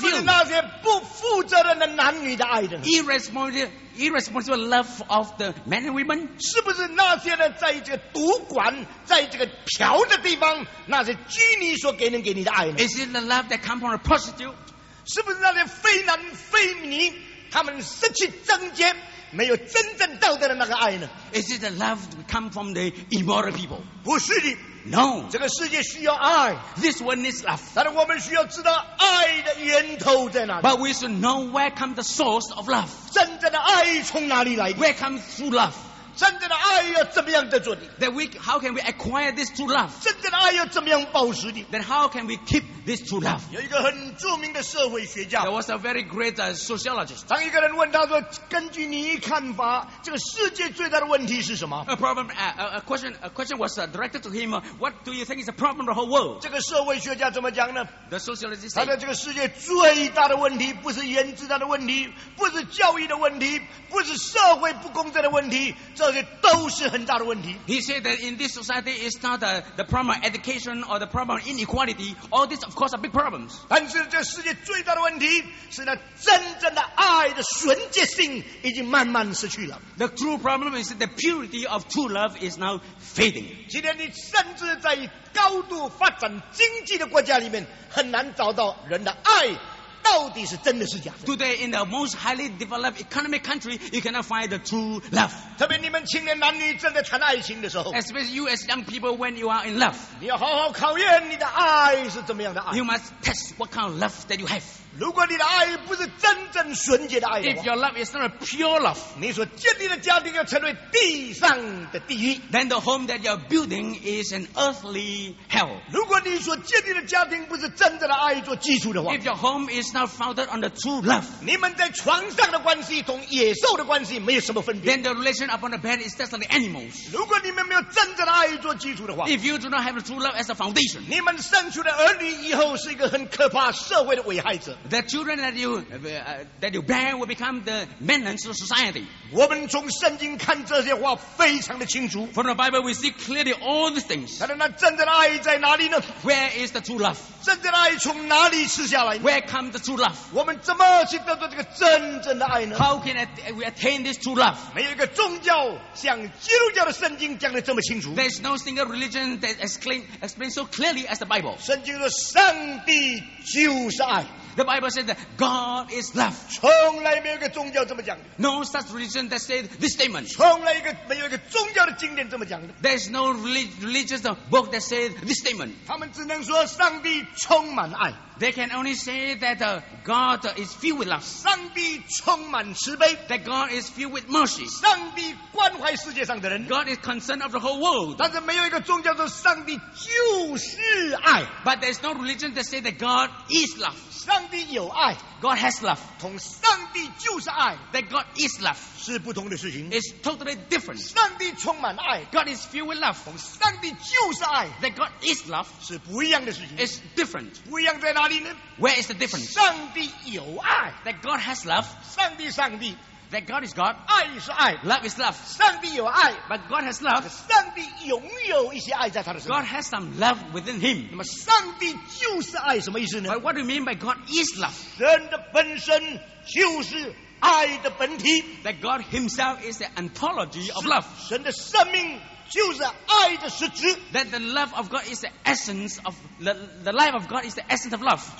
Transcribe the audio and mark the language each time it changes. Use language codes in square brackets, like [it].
[zh] 是不是那些不负责任的男女的爱的呢？ [en] Irresponsible love of the men and women. [zh] 是不是那些呢，在这个赌馆，在这个嫖的地方，那些妓女所给你的爱呢？ [en] Is it the love that comes from a prostitute? [zh] 是不是那些非男非女，他们失去贞洁？没有真正道德的那个爱呢？ [en] Is it the love that comes from the immoral people? [zh] 不是的。 [en] No. [zh] 这个世界需要爱。 [en] This one needs love. [zh] 但是我们需要知道爱的源头在哪里。 [en] But we should know where comes the source of love. [zh] 真正的爱从哪里来的？ [en] Where comes true love? [zh] 真正的爱要怎么样得住的？ [en] That we, how can we acquire this true love? [zh] 真正的爱要怎么样保持的？ [en] Then how can we keep this true love? [zh] 有一个很著名的社会学家。 [en] There was a very great sociologist. [zh] 当一个人问他说：“根据你看法，这个世界最大的问题是什么？” [en] A question was directed to him. What do you think is the problem of the whole world? [zh] 这个社会学家怎么讲呢？ [en] The sociologist said, [zh] 他说：“这个世界最大的问题不是原子弹的问题，不是教育的问题，不是社会不公正的问题。” [en] He said that in this society it's not the problem of education or the problem of inequality. All these, of course, are big problems. [zh] 但是这世界最大的问题是那真正的爱的纯洁性已经慢慢失去了。 [en] The true problem is that the purity of true love is now fading. [zh] 今天你甚至在高度发展经济的国家里面，很难找到人的爱。到底是真的是假的？ [en] Today in the most highly developed economic country, you cannot find the true love. [zh] 特别你们青年男女正在谈爱情的时候， [en] especially you as young people when you are in love, [zh] 你要好好考验你的爱是怎么样的爱。 [en] You must test what kind of love that you have. [zh] 如果你的爱不是真正纯洁的爱的话， [en] if your love is not a pure love, [zh] 你所建立的家庭要成为地上的地狱， [en] then the home that you are building is an earthly hell. [zh] 如果你所建立的家庭不是真正的爱做基础的话， [en] if your home is not founded on the true love, [zh] 你们在床上的关系同野兽的关系没有什么分别， [en] then the relation upon the bed is just like animals. [zh] 如果你们没有真正的爱做基础的话， [en] if you do not have the true love as a foundation, [zh] 你们生出的儿女以后是一个很可怕社会的危害者。 [en] The children that you bear will become the menace of society. [zh] 我们从圣经看这些话非常的清楚。 [en] From the Bible, we see clearly all these things. [zh] 但是那真正的爱在哪里呢？ [en] Where is the true love? [zh] 真正的爱从哪里赐下来？ [en] Where comes the true love? [zh] 我们怎么去得到这个真正的爱呢？ [en] How can we attain this true love? [zh] 没有一个宗教像基督教的圣经讲得这么清楚。 [en] There is no single religion that explains so clearly as the Bible. [zh] 圣经说上帝就是爱。 [en] The Bible said that God is love. [zh] 从来没有一个宗教这么讲的。 [en] No such religion that said this statement. [zh] 从来没有一个宗教的经典这么讲的。 [en] There's no religious book that said this statement. [zh] 他们只能说上帝充满爱。 [en] They can only say that God is filled with love. [zh] 上帝充满慈悲。 [en] That God is filled with mercy. [zh] 上帝关怀世界上的人。 [en] God is concerned of the whole world. [zh] 但是没有一个宗教说上帝就是爱。 [en] But there's no religion that says that God is love. [zh] 上帝有爱。 [en] God has love. [zh] 同上帝就是爱。 [en] That God is love. [zh] 是不同的事情。 [en] It's totally different. [zh] 上帝充满爱。 [en] God is filled with love. [zh] 同上帝就是爱。 [en] That God is love. [zh] 是不一样的事情。 [en] It's different. [zh] 不一样在哪？ [en] Where is the difference? [zh] 上帝有爱。 [en] That God has love. [zh] 上帝上帝。 [en] That God is God. [zh] 爱是爱。 [en] Love is love. [zh] 上帝有爱。 [en] But God has love. [zh] 上帝拥有一些爱在他的身上。 [en] God has some love within him. [zh] 那么上帝就是爱什么意思呢？ [en] But what do you mean by God is love? [zh] 神的本身就是爱的本体。 [en] That God himself is the ontology of love. [zh] 神的生命就是爱的实质。 [en] That the love of God is the essence of the life of God is the essence of love.